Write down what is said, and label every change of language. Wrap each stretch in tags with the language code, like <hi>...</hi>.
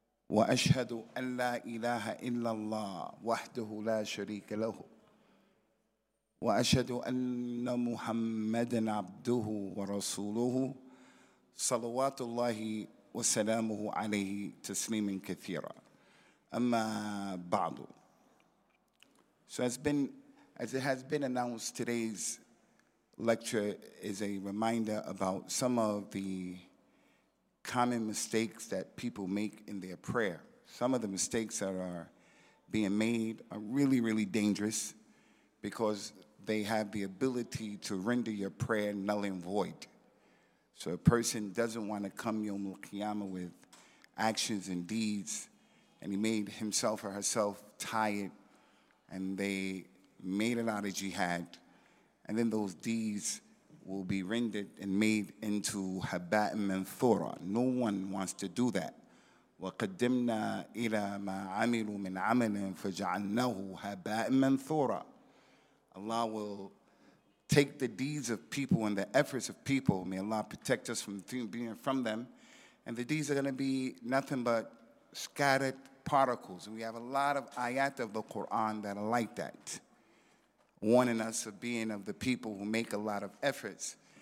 <ar>وأشهد أن لا إله إلا الله وحده لا شريك له وأشهد أن محمدًا عبده ورسوله صلوات الله وسلامه عليه تسليما كثيرا أما بعد.</ar> <en>So as it has been announced, today's lecture is a reminder about some of the common mistakes that people make in their prayer. Some of the mistakes that are being made are really, really dangerous because they have the ability to render your prayer null and void. So a person doesn't want to come Yawm al-Qiyamah with actions and deeds, and he made himself or herself tired, and they made it out of jihad, and then those deeds will be rendered and made into haba'an manthura. No one wants to do that.</en> <ar>وَقَدِّمْنَا إِلَى مَا عَمِلُوا مِنْ عَمَلٍ فَجَعَلْنَهُ haba'an manthura.</ar> <en>Allah will take the deeds of people and the efforts of people. May Allah protect us from being from them. And the deeds are going to be nothing but scattered particles. And we have a lot of ayat of the Quran that are like that, warning us of being of the people who make a lot of efforts.</en>